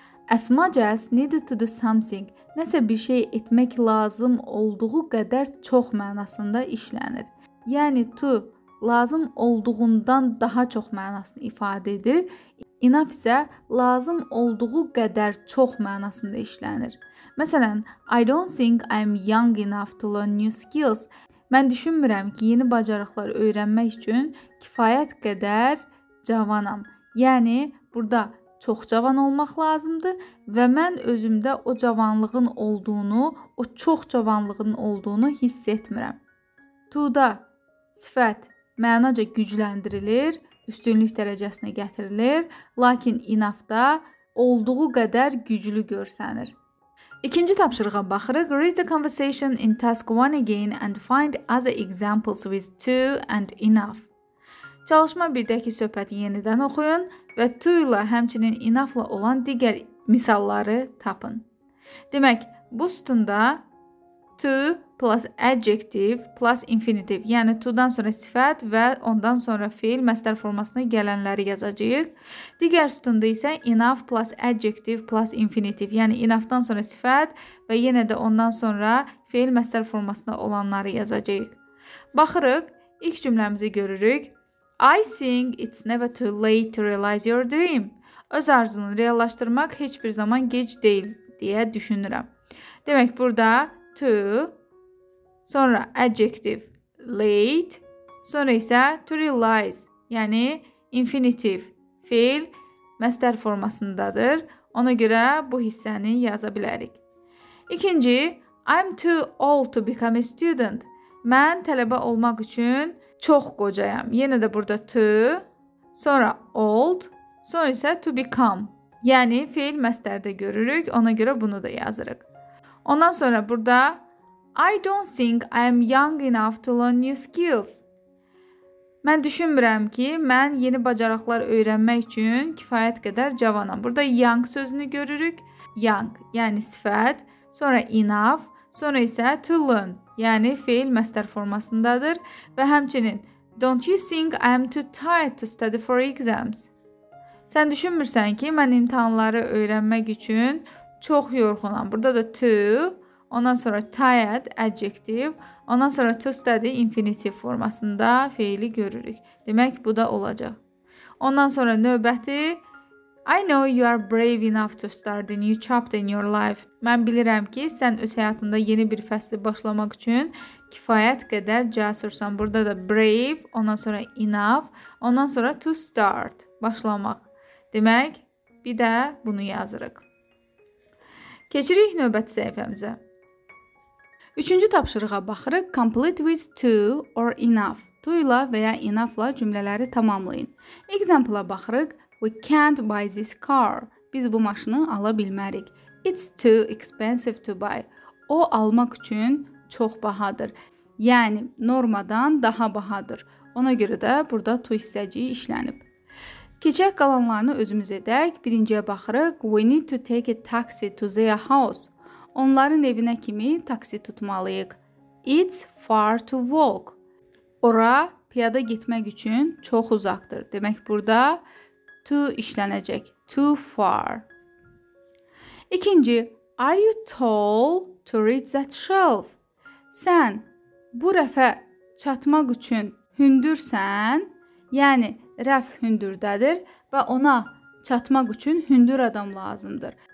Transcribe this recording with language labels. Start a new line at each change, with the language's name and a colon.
English: As much as needed to do something,
Azerbaijani: nəsə bir şey etmək lazım olduğu qədər çox mənasında işlənir. Yəni, to lazım olduğundan daha çox mənasını ifadə edir. Enough isə lazım olduğu qədər çox mənasında işlənir.
English: Məsələn, I don't think I'm young enough to learn new skills.
Azerbaijani: Mən düşünmürəm ki, yeni bacarıqlar öyrənmək üçün kifayət qədər cavanam. Yəni, burada çox cavan olmaq lazımdır və mən özümdə o cavanlığın olduğunu, o çox cavanlığın olduğunu hiss etmirəm. To-da sifət mənaca gücləndirilir, üstünlük dərəcəsinə gətirilir, lakin enough-da olduğu qədər güclü görsənir. İkinci tapşırığa baxırıq.
English: Read the conversation in task 1 again and find other examples with to and enough.
Azerbaijani: Çalışma birdəki söhbəti yenidən oxuyun və to ilə həmçinin enough ilə olan digər misalları tapın. Demək, bu sütunda
English: to plus adjective plus infinitive,
Azerbaijani: yəni to-dan sonra sifət və ondan sonra fiil məsdər formasına gələnləri yazacağıq. Digər sütunda isə
English: enough plus adjective plus infinitive,
Azerbaijani: yəni enough-dan sonra sifət və yenə də ondan sonra fiil məsdər formasına olanları yazacağıq. Baxırıq, ilk cümləmizi görürük.
English: I think it's never too late to realize your dream.
Azerbaijani: Öz arzunu reallaştırmak hiçbir zaman geç değil deyə düşünürəm. Demək burada to, sonra adjective late, sonra isə to realize, yəni infinitive fiil məsdər formasındadır. Ona görə bu hissəni yaza bilərik.
English: İkinci, I'm too old to become a student.
Azerbaijani: Mən tələbə olmaq üçün çox qocayam. Yenə də burada to, sonra old, sonra isə to become. Yəni, fiil məsdərdə görürük, ona görə bunu da yazırıq. Ondan sonra burada,
English: I don't think I'm young enough to learn new skills.
Azerbaijani: Mən düşünmürəm ki, mən yeni bacarıqlar öyrənmək üçün kifayət qədər cavanam. Burada young sözünü görürük. Young, yəni sifət, sonra enough, sonra isə to learn, yəni fiil məsdər formasındadır. Və həmçinin,
English: don't you think I'm too tired to study for exams?
Azerbaijani: Sən düşünmürsən ki, mən imtahanları öyrənmək üçün çox yorğunam. Burada da to, ondan sonra tired, adjective, ondan sonra to study, infinitive formasında feili görürük. Demək, bu da olacaq. Ondan sonra növbəti,
English: I know you are brave enough to start a new chapter in your life.
Azerbaijani: Mən bilirəm ki, sən öz həyatında yeni bir fəsli başlamaq üçün kifayət qədər cəsursan. Burada da brave, ondan sonra enough, ondan sonra to start, başlamaq. Demək, bir də bunu yazırıq. Keçirik növbəti səhifəmizə. Üçüncü tapşırığa baxırıq.
English: Complete with to or enough.
Azerbaijani: To ilə və ya enough ilə cümlələri tamamlayın. Example-a baxırıq.
English: We can't buy this car.
Azerbaijani: Biz bu maşını ala bilmərik.
English: It's too expensive to buy.
Azerbaijani: O almaq üçün çox bahadır. Yəni, normadan daha bahadır. Ona görə də burada to hissəciyi işlənib. Keçək qalanlarını özümüz edək. Birinciyə baxırıq.
English: We need to take a taxi to their house.
Azerbaijani: Onların evinə kimi taksi tutmalıyıq.
English: It's far to walk.
Azerbaijani: Ora piyada getmək üçün çox uzaqdır. Demək burada to işlənəcək.
English: Too far.
Azerbaijani: İkinci.
English: Are you tall to reach that shelf?
Azerbaijani: Sən bu rəfə çatmaq üçün hündürsən, yəni rəf hündürdədir və ona çatmaq üçün hündür adam lazımdır.